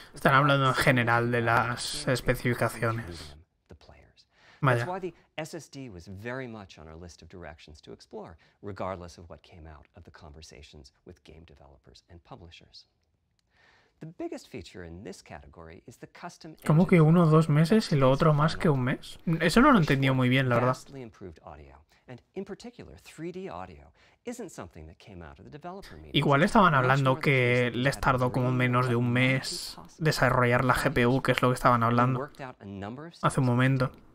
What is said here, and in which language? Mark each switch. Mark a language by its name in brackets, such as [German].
[Spanish] Están hablando en general de las especificaciones. Vaya. [English] That's why the SSD was very much on our list of directions to explore, regardless of what came out of the conversations with game developers and publishers. The biggest feature in this category is the custom. [Spanish] ¿Cómo que uno o dos meses y lo otro más que un mes? Eso no lo entendió muy bien, la verdad. [English] And in particular, 3D audio isn't something that came out of the developer meeting. [Spanish] Igual estaban hablando que les tardó como menos de un mes desarrollar la GPU, que es lo que estaban hablando hace un momento.